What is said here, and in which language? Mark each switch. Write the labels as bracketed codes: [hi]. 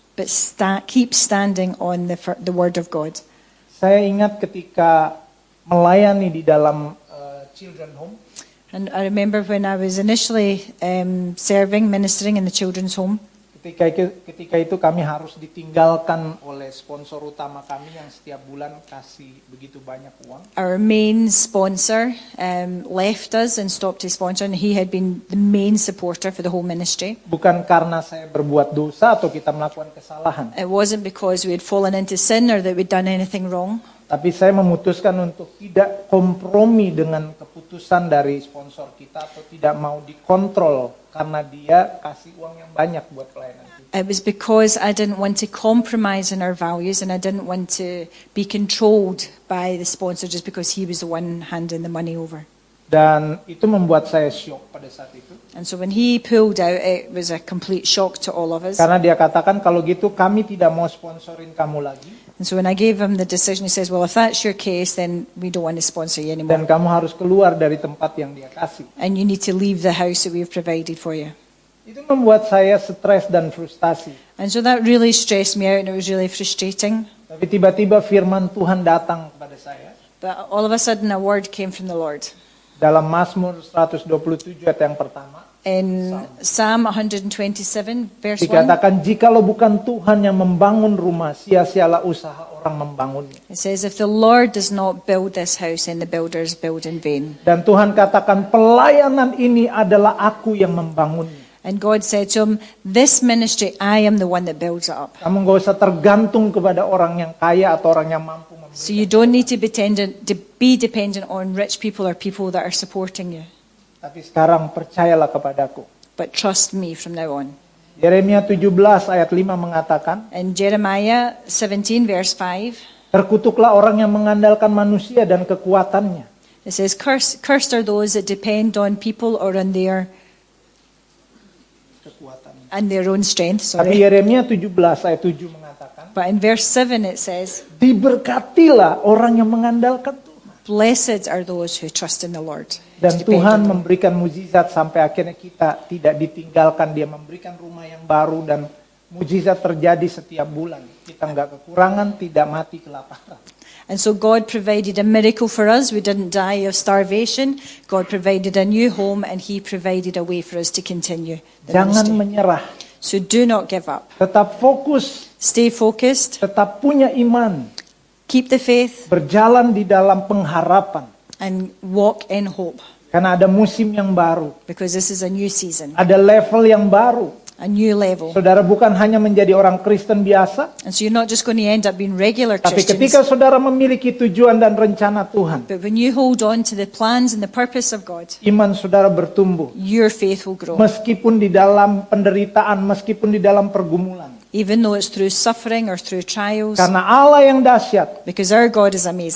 [en] But keep standing on the word of God. [id] Saya ingat ketika melayani di dalam [en] children home. And I remember when I was initially serving, ministering in the children's home. [id] Ketika itu kami harus ditinggalkan oleh sponsor utama kami yang setiap bulan kasih begitu banyak uang. [en] Our main sponsor left us and stopped his sponsor, and he had been the main supporter for the whole ministry. [id] Bukan karena saya berbuat dosa atau kita melakukan kesalahan. [en] It wasn't because we had fallen into sin or that we'd done anything wrong. [id] Tapi saya memutuskan untuk tidak kompromi dengan keputusan dari sponsor kita atau tidak mau dikontrol karena dia kasih uang yang banyak buat pelayanan kita. [en] It was because I didn't want to compromise in our values and I didn't want to be controlled by the sponsor just because he was the one handing the money over. [id] Dan itu membuat saya shock pada saat itu. [en] And so when he pulled out, it was a complete shock to all of us. [id] Karena dia katakan kalau gitu kami tidak mau sponsorin kamu lagi. [en] And so when I gave him the decision, he says, well, if that's your case, then we don't want to sponsor you anymore. [id] Dan kamu harus keluar dari tempat yang dia kasih. [en] And you need to leave the house that we've provided for you. [id] Itu membuat saya stres dan frustasi. [en] And so that really stressed me out and it was really frustrating. [id] Tapi tiba-tiba firman Tuhan datang kepada saya. [en] But all of a sudden a word came from the Lord. [id] Dalam Mazmur 127 ayat yang pertama. [en] In Psalm 127 verse 1. [id] Dikatakan jikalau bukan Tuhan yang membangun rumah, sia-sialah usaha orang membangunnya. [en] It says if the Lord does not build this house, then the builders build in vain. [id] Dan Tuhan katakan pelayanan ini adalah aku yang membangunnya. [en] And God said to him, this ministry, I am the one that builds it up. [id] Kamu enggak usah tergantung kepada orang yang kaya atau orang yang mampu. [en] So you don't need to be dependent on rich people or people that are supporting you. [id] Tapi sekarang percayalah kepadaku. [en] But trust me from now on. [id] Yeremia 17 ayat 5 mengatakan, [en] in Jeremiah 17 verse 5, [id] terkutuklah orang yang mengandalkan manusia dan kekuatannya. [en] It says, cursed are those that depend on people or on their [id] kekuatan [en] and their own strength. [id] Tapi Yeremia 17 ayat 7 mengatakan, [en] but in verse 7 it says, [id] diberkatilah orang yang mengandalkan Tuhan. [en] Blessed are those who trust in the Lord. [id] Dan Tuhan memberikan mujizat sampai akhirnya kita tidak ditinggalkan. Dia memberikan rumah yang baru dan mujizat terjadi setiap bulan. Kita enggak kekurangan, tidak mati kelaparan. [en] And so God provided a miracle for us. We didn't die of starvation. God provided a new home and he provided a way for us to continue. [id] Jangan menyerah. [en] So do not give up. [id] Tetap fokus. [en] Stay focused. [id] Tetap punya iman. [en] Keep the faith. [id] Berjalan di dalam pengharapan. [en] And walk in hope. [id] Karena ada musim yang baru. [en] Because this is a new season. [id] Ada level yang baru. [en] A new level. [id] Saudara bukan hanya menjadi orang Kristen biasa. [en] And so you're not just going to end up being regular Christians. [id] Tapi ketika saudara memiliki tujuan dan rencana Tuhan. [en] But when you hold on to the plans and the purpose of God. [id] Iman saudara bertumbuh. [en] Your faith will grow. [id] Meskipun di dalam penderitaan, meskipun di dalam pergumulan. [en] Even though it's through suffering or through trials. [id] Karena Allah yang dahsyat. [en] Because our God is amazing.